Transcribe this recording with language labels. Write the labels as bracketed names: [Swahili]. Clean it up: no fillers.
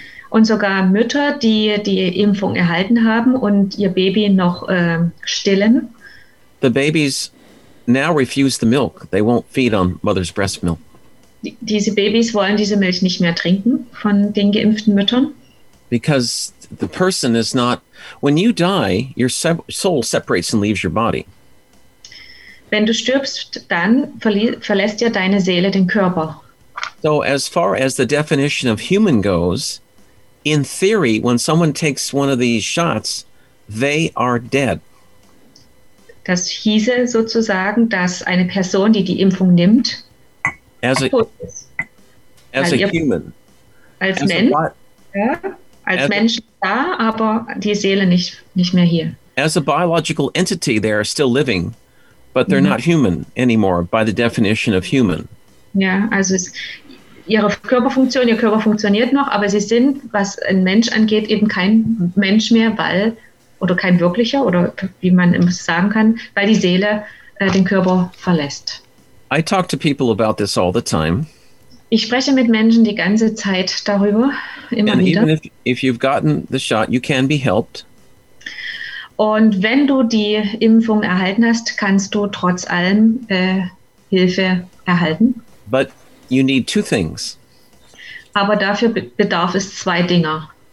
[German] Und sogar Mütter, die Impfung erhalten haben und ihr Baby noch stillen. [English] The babies now refuse the milk. They won't feed on mother's breast milk. [German] Diese Babys wollen diese Milch nicht mehr trinken von den geimpften Müttern. [English] Because the person is not, when you die, your soul separates and leaves your body. [German] Wenn du stirbst, dann verlässt ja deine Seele den Körper. [English] So as far as the definition of human goes, in theory, when someone takes one of these shots, they are dead. [German] Das hieße sozusagen, dass eine Person, die Impfung nimmt, [English] as a biological entity, they are still living, but they're not human anymore by the definition of human. [German] Ja, also ihre Körperfunktion, ihr Körper funktioniert noch, aber sie sind, was ein Mensch angeht, eben kein Mensch mehr, weil, oder kein wirklicher, oder wie man es sagen kann, weil die Seele den Körper verlässt. [English] I talk to people about this all the time. [German] Ich spreche mit Menschen die ganze Zeit darüber, immer [English] and [German] wieder. [English] And even if you've gotten the shot, you can be helped. [German] Und wenn du die Impfung erhalten hast, kannst du trotz allem Hilfe erhalten. [English] But you need 2 things. [German] Aber dafür bedarf es 2 Dinge.